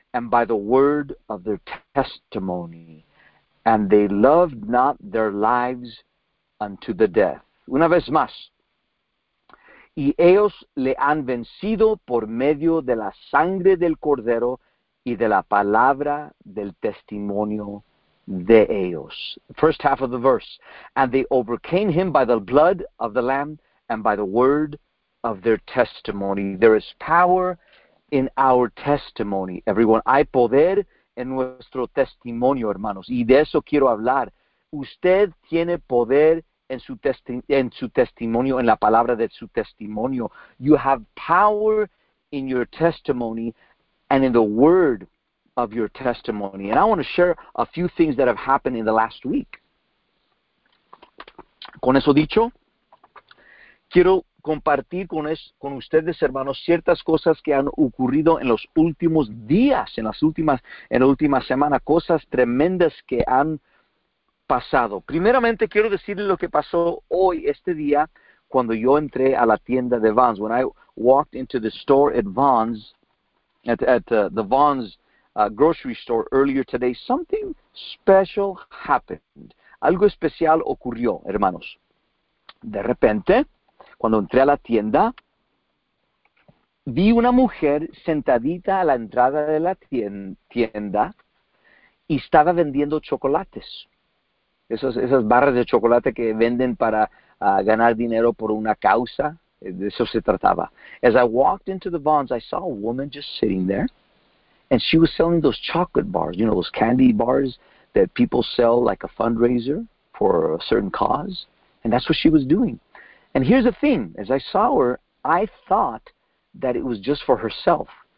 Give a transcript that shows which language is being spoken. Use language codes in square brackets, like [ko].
[en] and by the word of their testimony, and they loved not their lives unto the death. [es] Una vez más. Y ellos le han vencido por medio de la sangre del Cordero y de la palabra del testimonio de ellos. [en] First half of the verse. And they overcame him by the blood of the Lamb and by the word of their testimony. There is power in our testimony, everyone. [es] Hay poder en nuestro testimonio, hermanos. Y de eso quiero hablar. Usted tiene poder en su testimonio, en la palabra de su testimonio. [en] You have power in your testimony and in the word of your testimony. And I want to share a few things that have happened in the last week. [es] Con eso dicho, quiero compartir con ustedes, hermanos, ciertas cosas que han ocurrido en los últimos días, en la última semana, cosas tremendas que han pasado. Primeramente, quiero decirle lo que pasó hoy, este día, cuando yo entré a la tienda de Vons. [en] When I walked into the store at Vons, grocery store earlier today, something special happened. [es] Algo especial ocurrió, hermanos. De repente, cuando entré a la tienda, vi una mujer sentadita a la entrada de la tienda y estaba vendiendo chocolates. Esas barras de chocolate que venden para ganar dinero por una causa, de eso se trataba. [en] As I walked into the Vons, I saw a woman just sitting there, and she was selling those chocolate bars, you know, those candy bars that people sell like a fundraiser for a certain cause, and that's what she was doing. And here's the thing, as I saw her, I thought that it was just for herself.